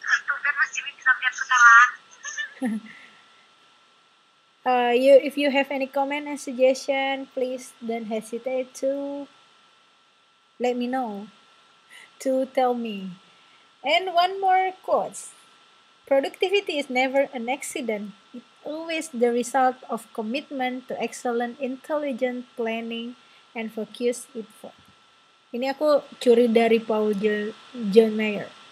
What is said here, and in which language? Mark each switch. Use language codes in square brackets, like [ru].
[id] Tungguin Mas Jimmy bisa lihat sekarang. [en] If you have any comment and suggestion, please don't hesitate to let me know, to tell me. And one more quote. Productivity is never an accident. It's always the result of commitment to excellent intelligent planning and focus info. [id] Ini aku curi dari Paul John Mayer.